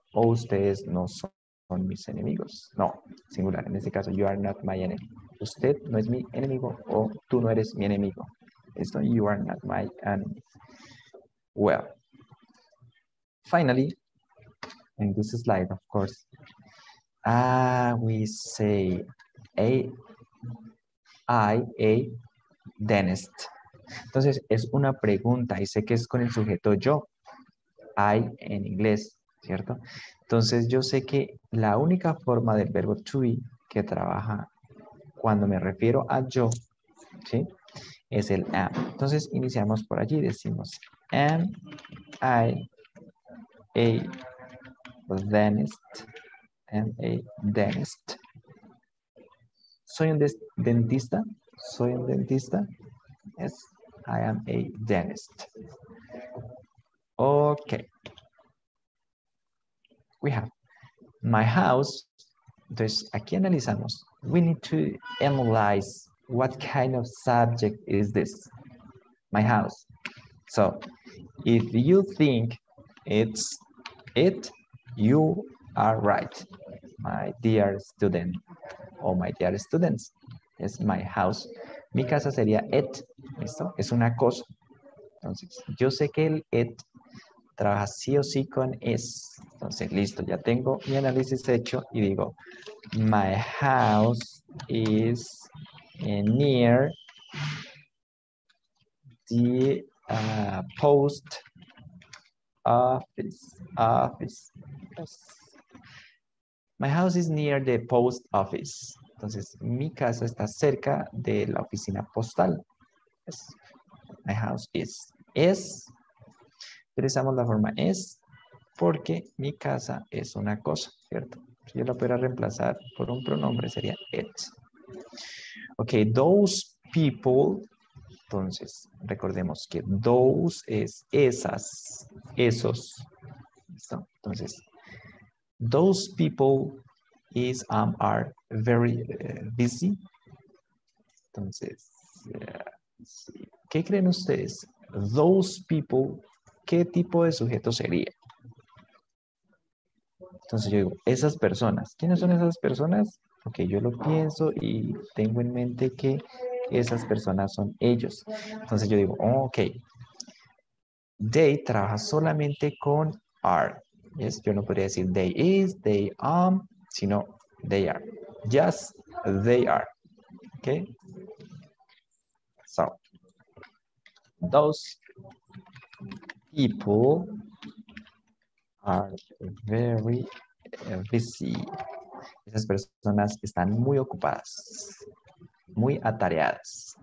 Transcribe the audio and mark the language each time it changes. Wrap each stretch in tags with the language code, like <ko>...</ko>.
<es>O ustedes no son mis enemigos. No, singular. En este caso,</es> <en>you are not my enemy.</en> <es>Usted no es mi enemigo o tú no eres mi enemigo.</es> <en>Esto, you are not my enemy. Well, finally, in this slide, of course, we say I a dentist.</en> <es>Entonces, es una pregunta y sé que es con el sujeto yo. I en inglés, ¿cierto? Entonces, yo sé que la única forma del verbo to be que trabaja cuando me refiero a yo, ¿sí? Es el am. Entonces, iniciamos por allí.</es> <en>Decimos, am I a dentist? Am a dentist.</en> <es>¿Soy un dentista? ¿Soy un dentista?</es> <en>Yes, I am a dentist. Okay. We have my house.</en> <es>Entonces, aquí analizamos.</es> <en>We need to analyze what kind of subject is this. My house. So, if you think it's it, you are right, my dear student. Or my dear students. It's my house.</en> <es>Mi casa sería it. ¿Listo? Es una cosa. Entonces, yo sé que el it trabaja sí o sí con is. Entonces, listo, ya tengo mi análisis hecho y digo,</es> <en>my house is near the post office. My house is near the post office.</en> <es>Entonces, mi casa está cerca de la oficina postal.</es> <en>Yes. My house is.</en> <es>Utilizamos la forma is porque mi casa es una cosa, ¿cierto? Si yo la pudiera reemplazar por un pronombre sería it. Ok, those people. Entonces, recordemos que those es esas, esos. ¿Listo?</es> <en>Entonces, those people is are very busy.</en> <es>Entonces, sí. ¿Qué creen ustedes? Those people, ¿qué tipo de sujeto sería? Entonces yo digo, esas personas. ¿Quiénes son esas personas? Ok, yo lo pienso y tengo en mente que esas personas son ellos. Entonces yo digo, ok. They trabaja solamente con are. Yes, yo no podría decir they is, they am, sino they are.</es> <en>Yes, they are. Ok. So, those people are very busy.</en> <es>Esas personas están muy ocupadas, muy atareadas.</es>